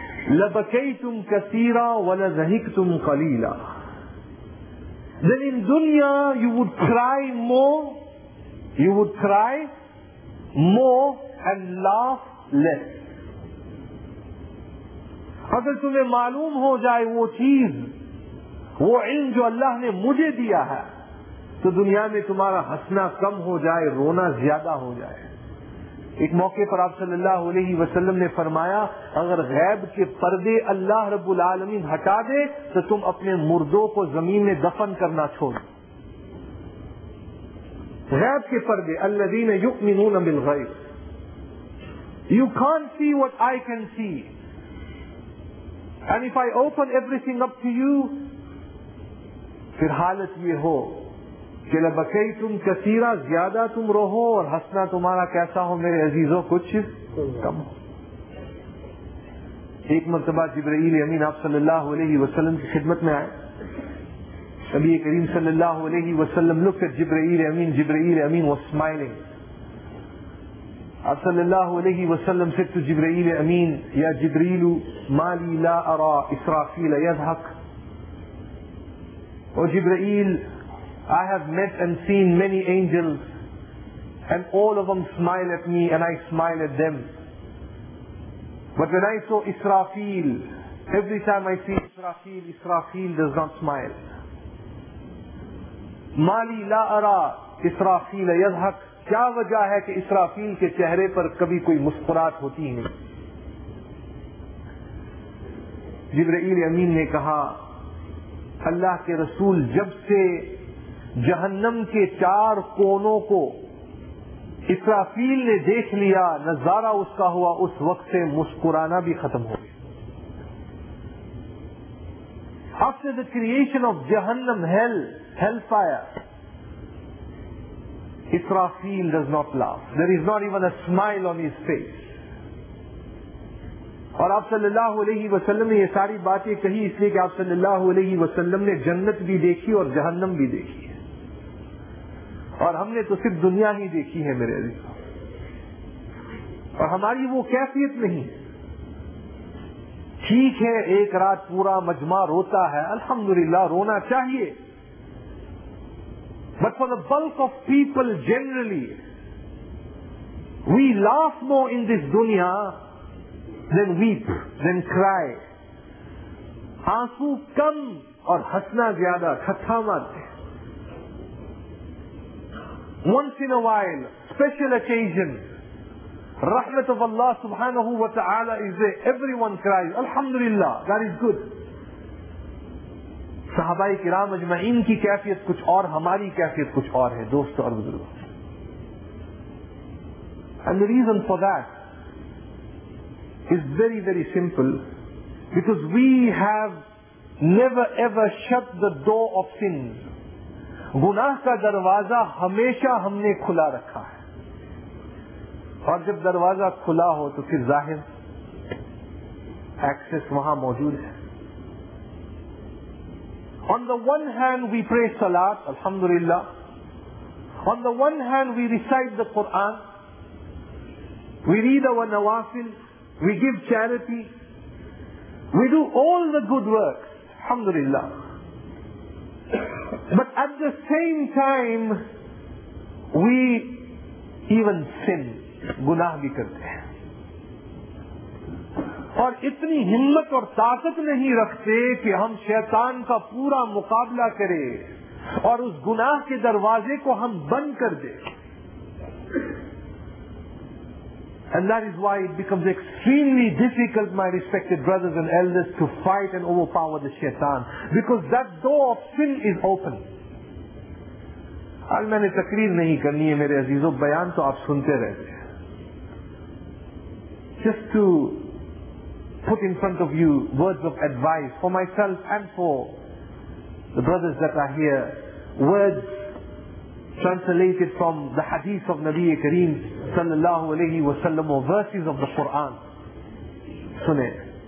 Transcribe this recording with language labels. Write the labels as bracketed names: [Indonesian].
[Arabic] لَبَكَيْتُمْ كَثِيرًا وَلَزَهِكْتُمْ قَلِيلًا. [English] Then in dunya you would cry more, you would cry more and laugh less. [Urdu] اگر تمہیں معلوم ہو جائے وہ چیز وہ علم جو اللہ نے مجھے دیا ہے تو دنیا میں تمہارا ہنسنا کم ہو جائے رونا زیادہ ہو جائے. ایک موقع پر آپ صلی اللہ علیہ وسلم نے فرمایا اگر غیب کے پردے اللہ رب العالمین ہٹا دے تو تم اپنے مردوں کو زمین میں دفن کرنا چھوڑ. غیب کے پردے [Arabic] الذین یؤمنون بالغیب. [English] You can't see what I can see. And if I open everything up to you, [Urdu] پھر حالت یہ ہو کہ [Arabic] لَبَكَيْتُمْ كَثِيرًا [Urdu] زیادہ تم رہو اور ہسنا تمہارا کیسا ہو میرے عزیزوں کچھ کم ہو. ایک مرتبہ جبرائیل امین آپ صلی اللہ علیہ وسلم کی خدمت میں آئے. [English] نبی کریم صلی اللہ علیہ وسلم looked at جبرائیل امین. جبرائیل امین was smiling. [Arabic] صلی اللہ علیہ وسلم [English] said to [Arabic] جبرائیل امین یا جبریل مالی لا ارا اسرافیل یضحک. [English] او جبرائیل, I have met and seen many angels and all of them smile at me and I smile at them. But when I saw Israfil, every time I see Israfil, Israfil does not smile. [Arabic] مالی لا ارا اسرافیل یضحک. [Urdu] کیا وجہ ہے کہ اسرافیل کے چہرے پر کبھی کوئی مسکرات ہوتی نہیں؟ جبرائیل امین نے کہا اللہ کے رسول, جب سے جہنم کے چار کونوں کو اسرافیل نے دیکھ لیا نظارہ اس کا ہوا, اس وقت سے مسکرانا بھی ختم ہو گیا. [English] After the creation of جہنم hell, hellfire, Israfil does not laugh. There is not even a smile on his face. [Urdu] اور آپ صلی اللہ علیہ وسلم نے یہ ساری باتیں کہی اس لیے کہ آپ صلی اللہ علیہ وسلم نے جنت بھی دیکھی اور جہنم بھی دیکھی ہے, اور ہم نے تو صرف دنیا ہی دیکھی ہے میرے عزیز, اور ہماری وہ کیفیت نہیں. ٹھیک ہے ایک رات پورا مجمع روتا ہے, الحمدللہ رونا چاہیے. [English] But for the bulk of people generally, we laugh more in this dunya than weep, than cry. [Urdu] Aansu kam aur hasna zyada, khatha mat. [English] Once in a while, special occasion, rahmat of Allah subhanahu wa ta'ala is there, everyone cries, alhamdulillah, that is good. [Urdu] صحابہ کرام اجمعین کی کیفیت کچھ اور, ہماری کیفیت کچھ اور ہے دوستو اور بزرگو. [English] And the reason for that is very very simple, because we have never ever shut the door of sin. [Urdu] گناہ کا دروازہ ہمیشہ ہم نے کھلا رکھا ہے, اور جب دروازہ کھلا ہو تو پھر ظاہر ایکسس وہاں موجود ہے. [English] On the one hand we pray salat, alhamdulillah. On the one hand we recite the Quran, we read our nawafil, we give charity, we do all the good works, alhamdulillah. But at the same time we even sin, [Urdu] gunah bhi karte hain. اور اتنی ہمت اور طاقت نہیں رکھتے کہ ہم شیطان کا پورا مقابلہ کرے اور اس گناہ کے دروازے کو ہم بند کر دے. [English] And that is why it becomes extremely difficult, my respected brothers and elders, to fight and overpower the shaitan, because that door of sin is open. [Urdu] آج میں نے تقریر نہیں کرنی ہے میرے عزیزو, بیان تو آپ سنتے رہتے ہیں. [English] Just to put in front of you words of advice for myself and for the brothers that are here, words translated from the hadith of Nabi Kareem sallallahu alayhi wa sallam, or verses of the Quran. Sunnah.